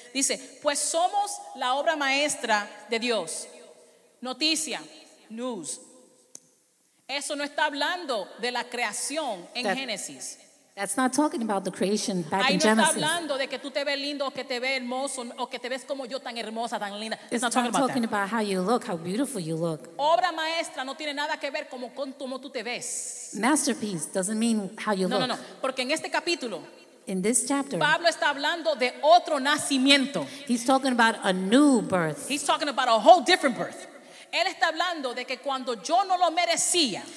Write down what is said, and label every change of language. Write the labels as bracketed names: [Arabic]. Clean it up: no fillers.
[Spanish] Dice, pues somos la obra maestra de Dios. Noticia. News. Eso no está hablando de la creación en Génesis. [English] That's not talking about the creation back in Genesis. [Spanish] Ahí no está hablando de que tú te ves lindo o que te ves hermoso o que te ves como yo tan hermosa, tan linda. [English] It's not talking about how you look, how beautiful you look. [Spanish] Obra maestra no tiene nada que ver con cómo tú te ves. [English] Masterpiece doesn't mean how you look. [Spanish] No, no, no. Porque en este capítulo, [English] in this chapter, [Spanish] Pablo está hablando de otro nacimiento. [English] He's talking about a new birth. He's talking about a whole different birth. [Spanish] Él está hablando de que cuando yo no lo merecía,